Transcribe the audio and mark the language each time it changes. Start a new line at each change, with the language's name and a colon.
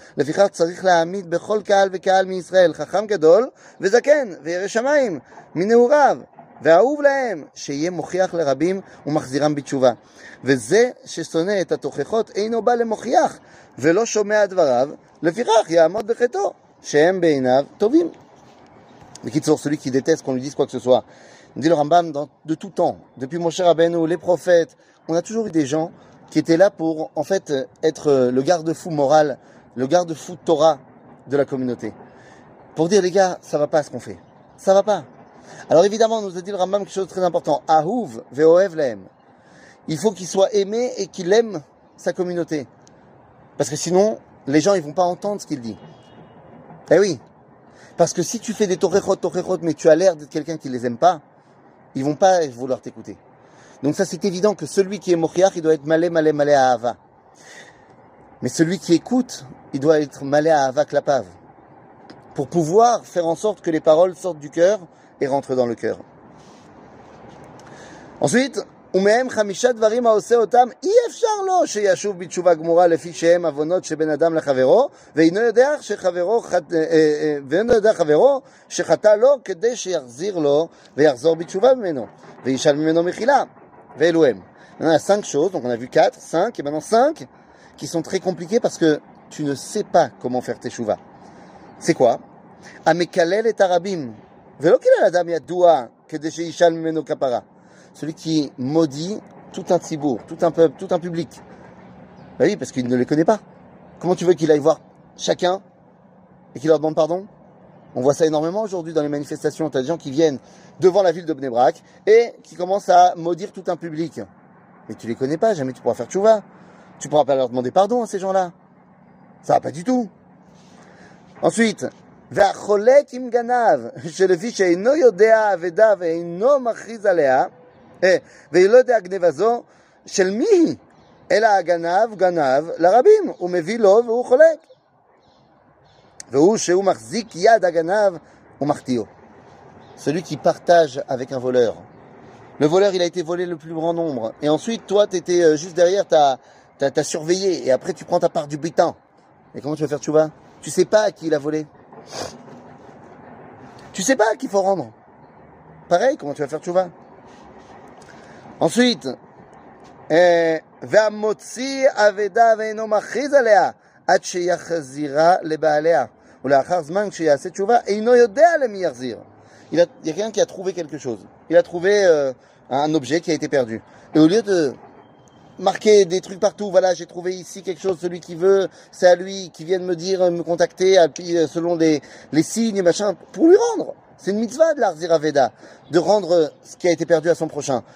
Hebrew: לפיכך צריך להעמיד בכל קהל וקהל מישראל חכם גדול וזקן וירא שמיים מנעוריו ואהוב להם שיהיה מוכיח לרבים ומחזירם בתשובה. וזה ששונא את התוכחות אינו בא למוכיח ולא שומע דבריו, לפיכך יעמוד בחטאו שהם בעיניו טובים. בקיצור, סולי כי דטס כמו לדיסקו אקססואה.
French: Dit le Rambam, de tout temps, depuis Moshe Rabbeinu, les prophètes, on a toujours eu des gens qui étaient là pour, en fait, être le garde-fou moral, le garde-fou Torah de la communauté. Pour dire, les gars, ça va pas ce qu'on fait. Ça va pas. Alors évidemment, nous a dit le Rambam quelque chose de très important.
Hebrew: Ahuv ve'ohev lehem.
French: Il faut qu'il soit aimé et qu'il aime sa communauté. Parce que sinon, les gens, ils vont pas entendre ce qu'il dit. Eh oui. Parce que si tu fais des torechot, mais tu as l'air d'être quelqu'un qui les aime pas, ils vont pas vouloir t'écouter. Donc ça, c'est évident que celui qui est mochiach, il doit être malé à Ava. Mais celui qui écoute, il doit être malé à Ava Klapav. Pour pouvoir faire en sorte que les paroles sortent du cœur et rentrent dans le cœur. Ensuite,
Hebrew: ומהם חמישה דברים העושה אותם, אי אפשר לו שישוב בתשובה גמורה לפי שהם אבונות שבין אדם לחברו, ואינו יודע שחברו, ואינו יודע חברו שחטא לו כדי שיחזיר לו ויחזור בתשובה ממנו, וישאל ממנו מחילה, ואלו הם.
French: On a 5 choses, donc on a vu 4, 5, et maintenant 5, qui sont très compliquées parce que tu ne sais pas comment faire tes תשובה. C'est quoi?
Hebrew: המקלל את הרבים, ולא כלל אדם ידוע כדי שישאל ממנו כפרה.
French: Celui qui maudit tout un tzibour, tout un peuple, tout un public. Ben oui, parce qu'il ne les connaît pas. Comment tu veux qu'il aille voir chacun et qu'il leur demande pardon? On voit ça énormément aujourd'hui dans les manifestations. T'as des gens qui viennent devant la ville de Bnei Brak et qui commencent à maudire tout un public. Mais tu les connais pas, jamais tu pourras faire tshuva. Tu pourras pas leur demander pardon à ces gens-là. Ça va pas du tout. Ensuite,
Hebrew: והחולק עם גנב שלפי שאינו יודע אבדה ואינו מכריז עליה, ולא יודע גניבה זו של מי היא, אלא הגנב גנב לרבים, הוא מביא לו והוא חולק, והוא שהוא מחזיק יד הגנב ומחטיאו.
French: Celui qui partage avec un voleur. Le voleur, il a été volé le plus grand nombre. Et ensuite, toi, tu étais juste derrière, t'as surveillé. Et après, tu prends ta part du butin. Et comment tu vas faire, tu vois? Tu sais pas à qui il a volé. Tu sais pas à qui il faut rendre. Pareil, comment tu vas faire, tu vois? Ensuite,
Hebrew: והמוציא אבדה ואינו מכריז עליה עד שיחזירה לבעליה, ולאחר זמן כשיעשה תשובה אינו יודע למי יחזיר,
French: il y a quelqu'un qui a trouvé quelque chose. Il a trouvé un objet qui a été perdu. Et au lieu de marquer des trucs partout, voilà, j'ai trouvé ici quelque chose, celui qui veut, c'est à lui qui vient de me dire, me contacter, selon les signes, machin, pour lui rendre. C'est une mitzvah de l'Arzir Aveda, de rendre ce qui a été perdu à son prochain.